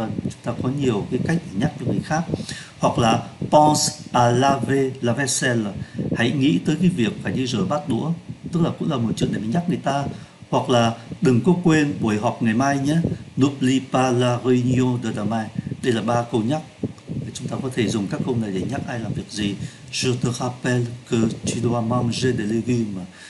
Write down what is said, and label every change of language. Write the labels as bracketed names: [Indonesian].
[Vietnamese] Chúng ta có nhiều cái cách để nhắc cho người khác. Hoặc là [French] pense à laver la vaisselle. [Vietnamese] Hãy nghĩ tới cái việc phải đi rửa bát đũa. Tức là cũng là một chuyện để mình nhắc người ta. Hoặc là đừng có quên buổi họp ngày mai nhé. [French] N'oublie pas la réunion de demain. [Vietnamese] Đây là ba câu nhắc. Chúng ta có thể dùng các câu này để nhắc ai làm việc gì. [French] Je te rappelle que tu dois manger des légumes.